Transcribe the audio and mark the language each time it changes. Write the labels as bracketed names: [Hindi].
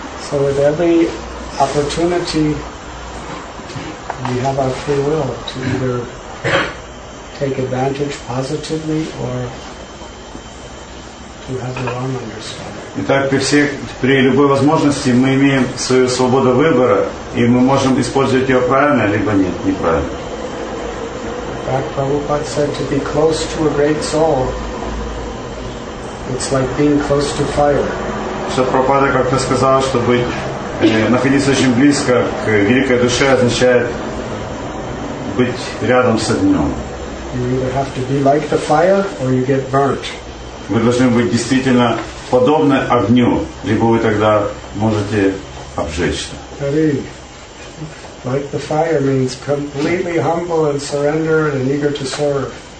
[English] So with every opportunity, we have our free will to either take advantage positively or to have the wrong understanding. [Russian] Итак, при любой возможности мы имеем свою свободу выбора, и мы можем использовать ее правильно, либо нет, неправильно. Так [English] Прабхупада said, to be close to a great soul, it's like being close to fire. [Russian] Шрила как-то сказал, что быть, находиться очень близко к великой душе означает быть рядом с огнем. [English] You either have to be like the fire, or you get burnt. [Russian] Вы должны быть действительно подобны огню, либо вы тогда можете обжечься. [English] Like the fire means completely humble and surrendered and eager to serve.